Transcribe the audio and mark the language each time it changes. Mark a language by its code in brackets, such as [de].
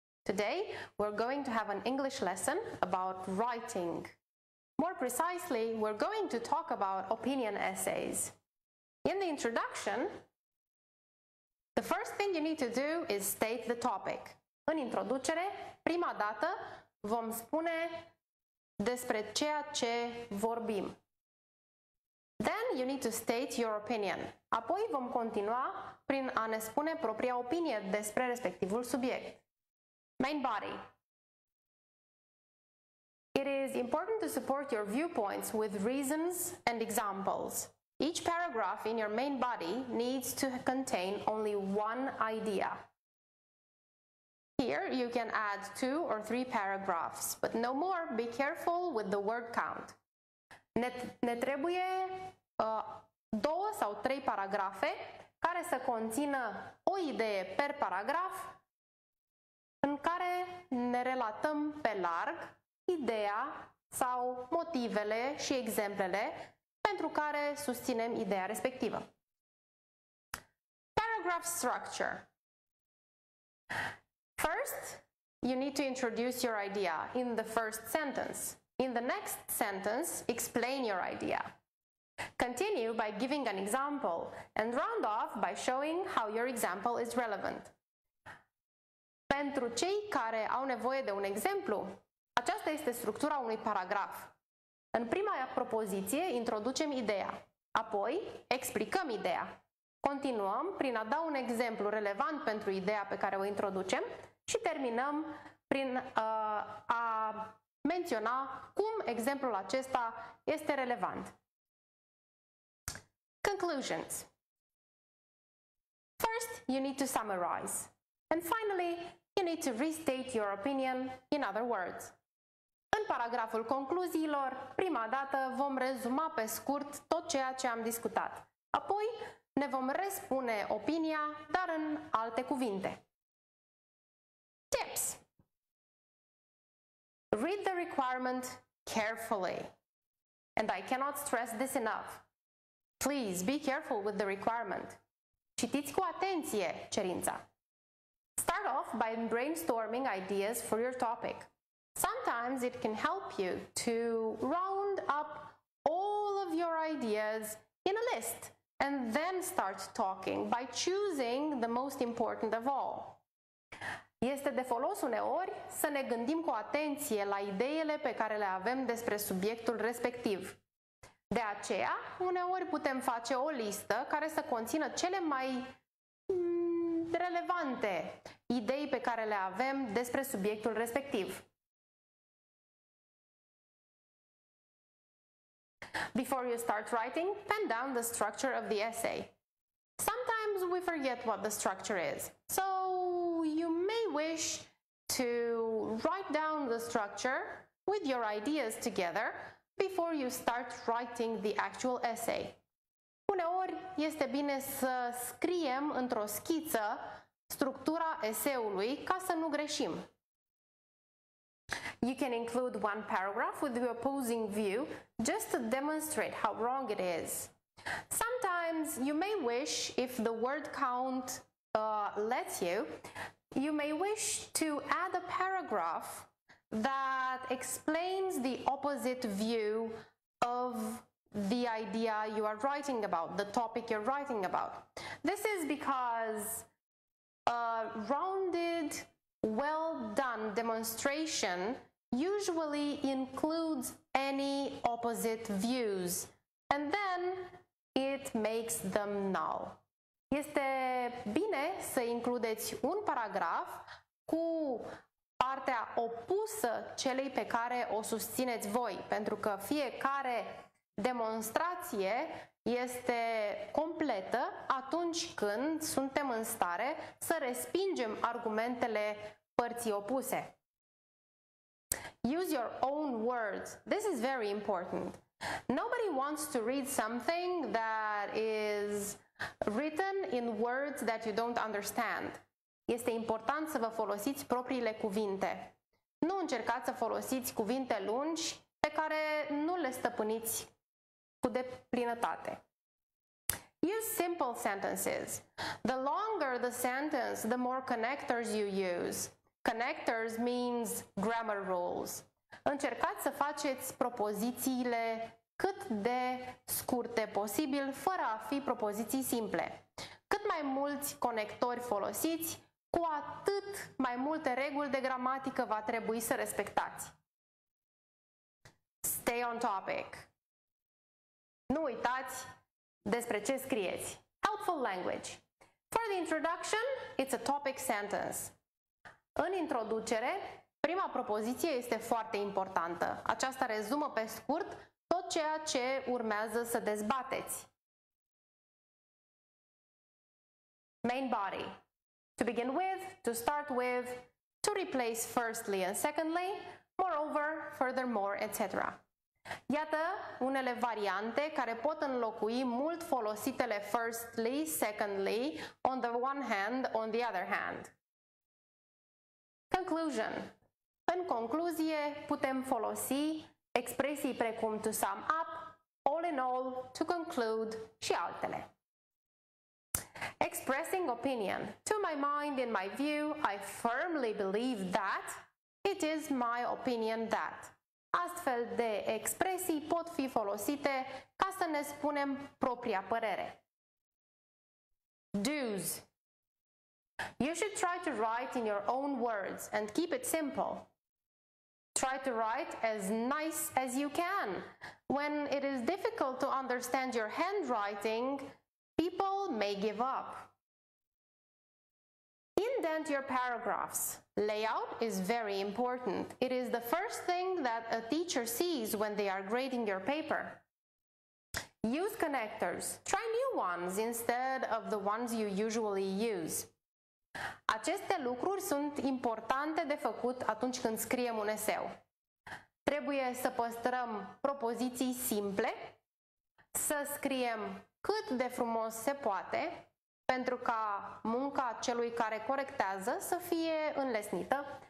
[en] Today, we're going to have an English lesson about writing. More precisely, we're going to talk about opinion essays. In the introduction, the first thing you need to do is state the topic. [ro] În introducere, prima dată vom spune despre ceea ce vorbim. [en] Then you need to state your opinion. [ro] Apoi vom continua prin a ne spune propria opinie despre respectivul subiect. [en] Main body. It is important to support your viewpoints with reasons and examples. Each paragraph in your main body needs to contain only one idea. Here you can add two or three paragraphs, but no more. Be careful with the word count. [ro] Ne trebuie două sau trei paragrafe care să conțină o idee per paragraf în care ne relatăm pe larg ideea sau motivele și exemplele pentru care susținem ideea respectivă. [en] Paragraph structure. First, you need to introduce your idea in the first sentence. In the next sentence, explain your idea. Continue by giving an example and round off by showing how your example is relevant. [ro] Pentru cei care au nevoie de un exemplu, aceasta este structura unui paragraf. În prima propoziție introducem ideea, apoi explicăm ideea. Continuăm prin a da un exemplu relevant pentru ideea pe care o introducem și terminăm prin a menționa cum exemplul acesta este relevant. [en] Conclusions. First, you need to summarize. And finally, you need to restate your opinion in other words. [ro] În paragraful concluziilor, prima dată vom rezuma pe scurt tot ceea ce am discutat. Apoi ne vom respune opinia, dar în alte cuvinte. [en] Tips. Read the requirement carefully. And I cannot stress this enough. Please be careful with the requirement. [ro] Citiți cu atenție cerința. [en] Start off by brainstorming ideas for your topic. Sometimes it can help you to round up all of your ideas in a list and then start talking by choosing the most important of all. [ro] Este de folos uneori să ne gândim cu atenție la ideile pe care le avem despre subiectul respectiv. De aceea, uneori putem face o listă care să conțină cele mai relevante idei pe care le avem despre subiectul respectiv. [en] Before you start writing, pen down the structure of the essay. Sometimes we forget what the structure is, so you may wish to write down the structure with your ideas together before you start writing the actual essay. [ro] Uneori este bine să scriem într-o schiță structura eseului ca să nu greșim. [en] You can include one paragraph with the opposing view just to demonstrate how wrong it is. Sometimes you may wish, if the word count lets you, you may wish to add a paragraph that explains the opposite view of the idea you are writing about, the topic you're writing about. This is because a rounded, well done demonstration usually includes any opposite views, and then it makes them null. [ro] Este bine să includeți un paragraf cu partea opusă celei pe care o susțineți voi, pentru că fiecare demonstrație este completă atunci când suntem în stare să respingem argumentele părții opuse. [en] Use your own words. This is very important. Nobody wants to read something that is written in words that you don't understand. [ro] Este important să vă folosiți propriile cuvinte. Nu încercați să folosiți cuvinte lungi pe care nu le stăpâniți cu deplinătate. [en] Use simple sentences. The longer the sentence, the more connectors you use. Connectors means grammar rules. [ro] Încercați să faceți propozițiile cât de scurte posibil, fără a fi propoziții simple. Cât mai mulți conectori folosiți, cu atât mai multe reguli de gramatică va trebui să respectați. [en] Stay on topic. [ro] Nu uitați despre ce scrieți. [en] Helpful language. For the introduction, it's a topic sentence. [ro] În introducere, prima propoziție este foarte importantă. Aceasta rezumă pe scurt tot ceea ce urmează să dezbateți. [en] Main body. To begin with, to start with, to replace firstly and secondly, moreover, furthermore, etc. [ro] Iată unele variante care pot înlocui mult folositele [en] firstly, secondly, on the one hand, on the other hand. Conclusion. [ro] În concluzie, putem folosi expresii precum [en] to sum up, all in all, to conclude [ro] și altele. [en] Expressing opinion. To my mind, in my view, I firmly believe that it is my opinion that. [ro] Astfel de expresii pot fi folosite ca să ne spunem propria părere. [en] Do's. You should try to write in your own words and keep it simple. Try to write as nice as you can. When it is difficult to understand your handwriting, people may give up. Indent your paragraphs. Layout is very important. It is the first thing that a teacher sees when they are grading your paper. Use connectors. Try new ones instead of the ones you usually use. [ro] Aceste lucruri sunt importante de făcut atunci când scriem un eseu. Trebuie să păstrăm propoziții simple, să scriem cât de frumos se poate, pentru ca munca celui care corectează să fie înlesnită.